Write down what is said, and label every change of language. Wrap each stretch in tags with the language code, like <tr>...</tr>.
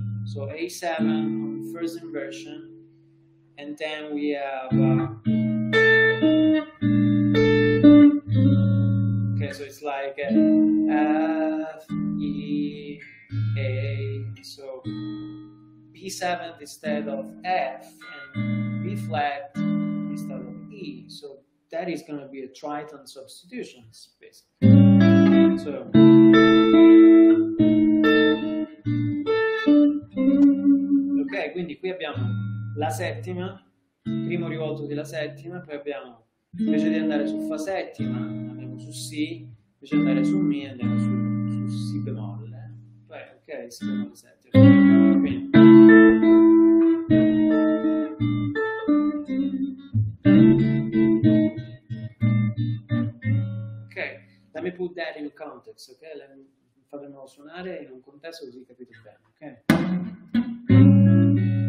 <en>So A7 on first inversion, and then we have okay, so it's like F E A, so B7 instead of F and B flat instead of E. So that is going to be a triton substitutions basically.</en> <it>So okay, quindi qui abbiamo la settima, primo rivolto della settima, poi abbiamo, invece di andare su fa settima, andiamo su si, invece di andare su mi, andiamo su si bemolle, poi ok, si bemolle sette, quindi.</it> <en>Ok, let me put that in context, ok?</en> <it>Fatemelo suonare in un contesto così capite bene, ok?</it>